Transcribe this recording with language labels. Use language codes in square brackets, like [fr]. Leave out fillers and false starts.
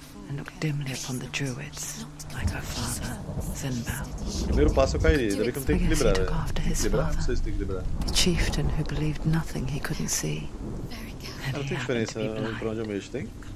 [en] And looked dimly upon the druids, like her father, Finbal. [pt] Primeiro passo eu caí, ainda bem que não tem que equilibrar, velho. Equilibrar? Não sei se tem que equilibrar. [en] A chieftain who believed nothing he couldn't see. [pt] Ah, não tem diferença pra onde eu mexo, tem?